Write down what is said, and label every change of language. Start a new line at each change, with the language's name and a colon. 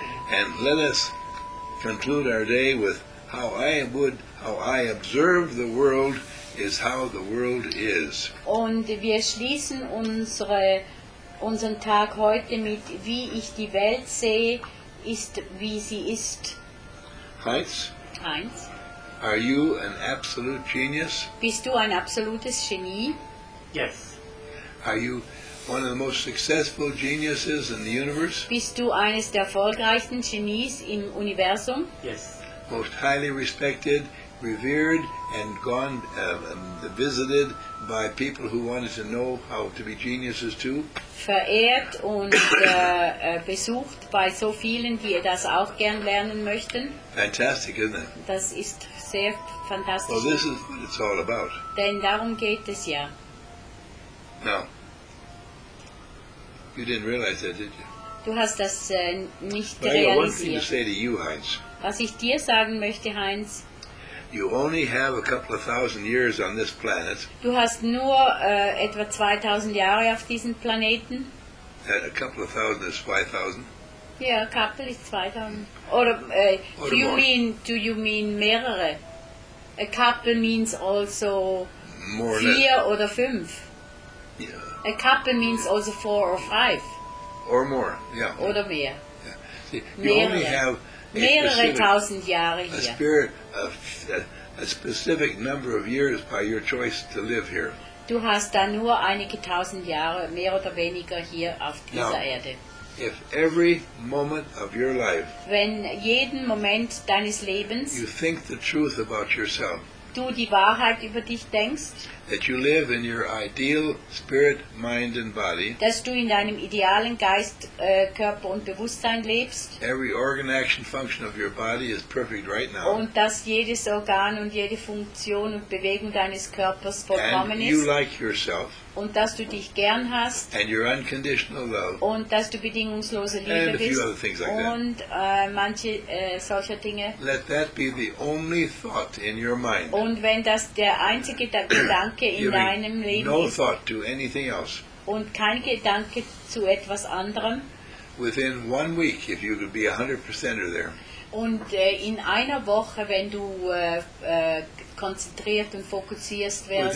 English: And let us conclude our day with how I would, how I observe the world is how the world is.
German: Und wir schließen unseren Tag heute mit, wie ich die Welt sehe, ist wie sie ist.
English: Heinz, are you an absolute genius?
German: Bist du ein absolutes Genie?
English: Yes. Are you one of the most successful geniuses in the universe?
German: Bist du eines der erfolgreichsten Genies im Universum?
English: Yes. Most highly respected, revered, and gone visited by people who wanted to know how to be geniuses too.
German: Verehrt und besucht bei so vielen, die das auch gern lernen möchten.
English: Fantastic, isn't it?
German: Das ist sehr fantastisch.
English: Well, this is what it's all about.
German: Denn darum geht es ja.
English: Now, you didn't realize that, did you?
German: Du hast das nicht realisiert.
English: One thing to say to you, Heinz.
German: Was ich dir sagen möchte, Heinz.
English: You only have a couple of thousand years on this planet.
German: Du hast nur etwa 2000 Jahre auf diesem Planeten.
English: And a couple of thousand is 5000. Yeah, a couple is 2000. Or do you mean, do you mean mehrere? A couple means also more
German: vier oder fünf.
English: Yeah. A couple means also four or five. Or more, yeah.
German: Oder mehr.
English: Yeah. See, you only have
German: mehrere tausend Jahre hier.
English: A specific number of years by your choice to live here.
German: Du hast da nur einige tausend Jahre, mehr oder weniger hier auf dieser
English: Now,
German: Erde.
English: If every moment of your life,
German: wenn jeden Moment deines Lebens,
English: you think the truth about yourself,
German: du die Wahrheit über dich denkst,
English: that you live in your ideal spirit, mind and body,
German: dass du in deinem idealen Geist, Körper und Bewusstsein lebst,
English: every organ action function of your body is perfect right now,
German: und dass jedes Organ und jede Funktion und Bewegung deines Körpers vollkommen ist,
English: you like yourself,
German: und dass du dich gern hast,
English: and your unconditional love,
German: und dass du bedingungslose Liebe
English: and
German: bist,
English: a few other things like
German: und manche solcher Dinge,
English: let that be the only thought in your mind,
German: und wenn das der einzige Gedanke in deinem Leben
English: no thought to anything else.
German: Und kein Gedanke zu etwas anderem.
English: Within 1 week, if you could be 100% there.
German: Und in einer Woche, wenn du konzentriert und fokussiert wärst.